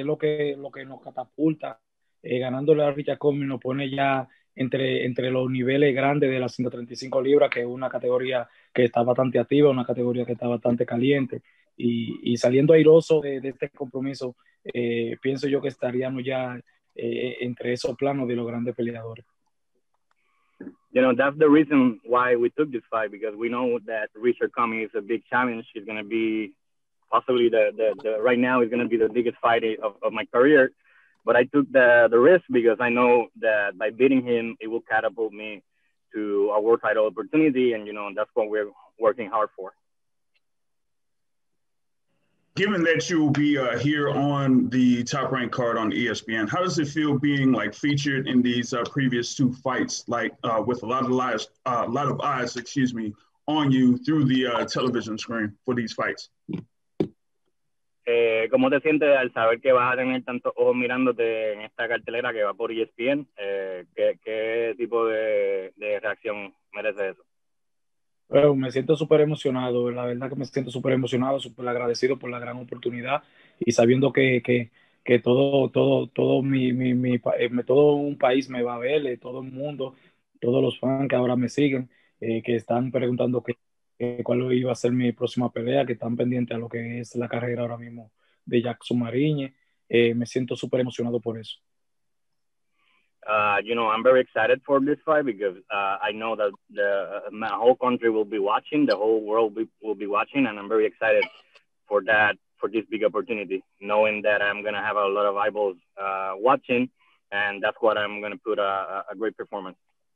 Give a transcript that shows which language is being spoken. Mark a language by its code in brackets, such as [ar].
[es] Es lo que nos catapulta. Ganándole a Richard Commey nos pone ya entre los niveles grandes de las 135 libras, que es una categoría que está bastante activa, una categoría que está bastante caliente. Y saliendo airoso de este compromiso, pienso yo que estaríamos ya entre esos planos de los grandes peleadores. [en] You know, that's the reason why we took this fight, because we know that Richard Commey is a big challenge. He's going to be possibly the right now is going to be the biggest fight of my career. But I took the risk because I know that by beating him, it will catapult me to a world title opportunity. And, you know, that's what we're working hard for. Given that you will be here on the top ranked card on ESPN, how does it feel being like featured in these previous two fights, like with a lot of eyes, on you through the television screen for these fights? [es] ¿Cómo te sientes al saber que vas a tener tantos ojos mirándote en esta cartelera que va por ESPN? ¿Qué tipo de reacción merece eso? Bueno, me siento súper emocionado, la verdad que me siento súper emocionado, súper agradecido por la gran oportunidad y sabiendo que todo un país me va a ver, todo el mundo, todos los fans que ahora me siguen, que están preguntando cuál iba a ser mi próxima pelea, que están pendientes a lo que es la carrera ahora mismo de Jackson Mariñe, me siento súper emocionado por eso. [en] You know, I'm very excited for this fight because I know that my whole country will be watching, the whole world will be watching, and I'm very excited for that, for this big opportunity, knowing that I'm going to have a lot of eyeballs watching, and that's what I'm going to put a great performance.